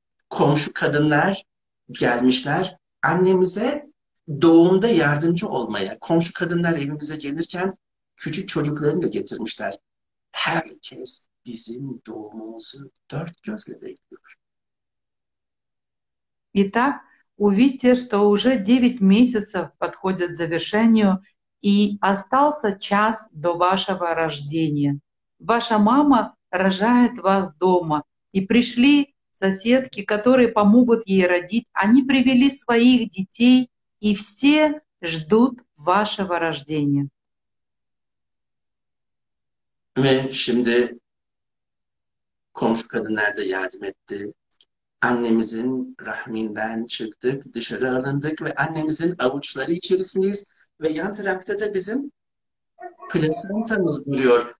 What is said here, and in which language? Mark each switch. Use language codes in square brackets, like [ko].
[tr] Komşu kadınlar gelmişler annemize doğumda yardımcı olmaya. Komşu kadınlar evimize gelirken küçük çocuklarını da getirmişler. Herkes bizim doğumumuzu 4 gözle bekliyor. [ru] Итак, увидьте, что уже 9 месяцев подходит к завершению и остался час до вашего рождения. Ваша мама рожает вас дома, и пришли соседки, которые помогут ей родить. Они привели своих детей, и все ждут вашего рождения. [tr] Ve şimdi komşu kadınlar da yardım etti. Annemizin rahminden çıktık, dışarı alındık ve annemizin avuçları içerisindeyiz. Ve yan tarafta da bizim plasentamız duruyor.